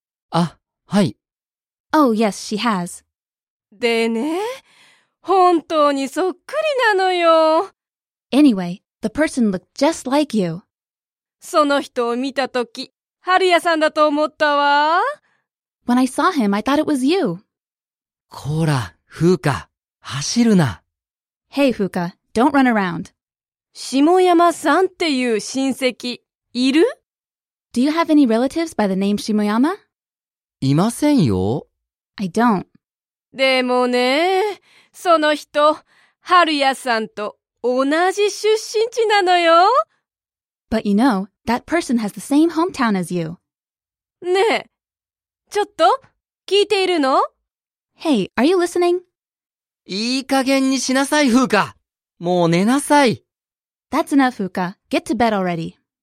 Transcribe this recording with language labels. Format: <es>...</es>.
<ja>あ、はい。</ja> <en>Oh, yes, she has.</en> <ja>でね、本当にそっくりなのよ。</ja> <en>Anyway, the person looked just like you.</en> <ja>その人を見たとき、ハルヤさんだと思ったわ。</ja> <en>When I saw him, I thought it was you.</en> <ja>こら、風花、走るな。</ja> <en>Hey, 風花, don't run around.</en> <ja>下山さんっていう親戚。いる？</ja> <en>Do you have any relatives by the name Shimoyama?</en> <ja>いませんよ。</ja> <en>I don't.</en> <ja>でもね、その人、春屋さんと同じ出身地なのよ。</ja> <en>But you know, that person has the same hometown as you.</en> <ja>ねえ、ちょっと、聞いているの？</ja> <en>Hey, are you listening?</en> <ja>いい加減にしなさい、フーカ。もう寝なさい。</ja> <en>That's enough, フーカ。Get to bed already.</en>